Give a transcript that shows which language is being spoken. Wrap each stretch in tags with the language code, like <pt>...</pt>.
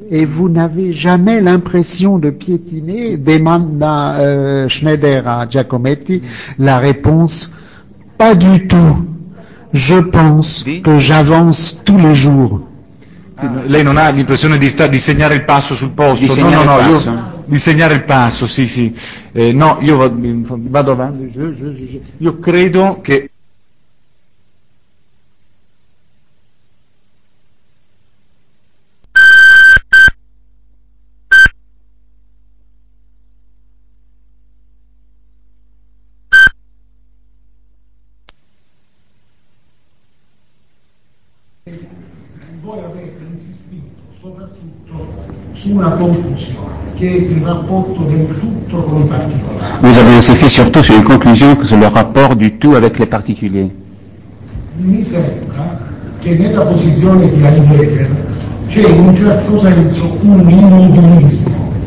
<fr>Et vous n'avez jamais l'impression de piétiner, demande à Schneider à Giacometti, la réponse, pas du tout. Je pense que j'avance tous les jours.</fr> <it>Lei non ha l'impressione di segnare il passo sul posto? Di segnare il passo, sì. No, io vado avanti. Io credo che...</it> <fr>Vous avez insisté surtout sur une conclusion que c'est le rapport du tout avec les particuliers.</fr> <it>Mi sembra che nella posizione di Heidegger c'è in un certo senso un immobilismo.</it>